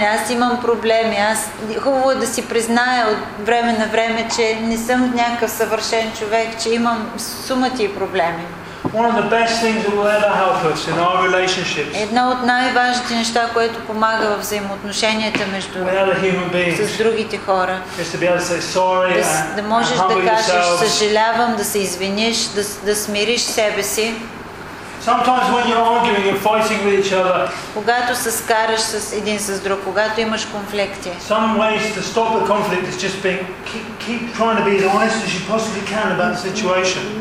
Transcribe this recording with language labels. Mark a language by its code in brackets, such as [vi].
[bg] Аз имам проблеми. Хубаво да си призная от време на време, че не съм някакъв съвършен човек, че имам сумати и проблеми. [en] One of the best things that will ever help us in our relationships. [bg] Едно от най-важните неща, което помага във взаимоотношенията между с другите хора. [en] Is to be able to say sorry. [bg] Да можеш да кажеш съжалявам, да се извиниш, да смириш себе си. [en] Sometimes when you're arguing and fighting with each other. [bg] Когато се скараш с един с друг, когато имаш конфликти. [en] Some ways to stop the conflict is just being keep trying to be as honest as you possibly can about the situation.